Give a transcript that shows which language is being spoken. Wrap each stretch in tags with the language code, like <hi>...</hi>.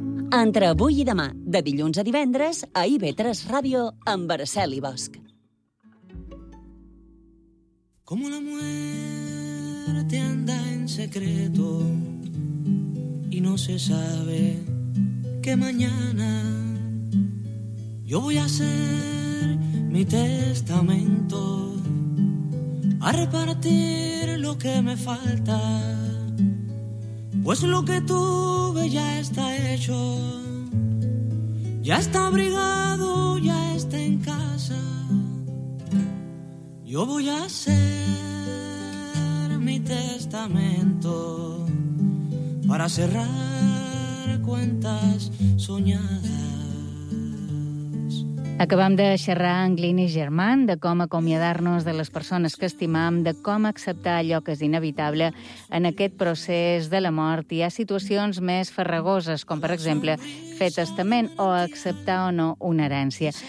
<ca>Entre avui i demà, de dilluns a divendres, a IB3 Ràdio, amb Araceli Bosch.</ca> <es>Como la muerte anda en secreto y no se sabe que mañana. Yo voy a hacer mi testamento, a repartir lo que me falta, pues lo que tuve ya está hecho, ya está abrigado, ya está en casa. Yo voy a hacer mi testamento para cerrar cuentas soñadas.</es> <ca>Acabam de xerrar amb Glyn i Germán de com acomiadar-nos de les persones que estimam, de com acceptar allò que és inevitable en aquest procés de la mort. Hi ha situacions més farragoses, com per exemple fer testament o acceptar o no una herència.</ca>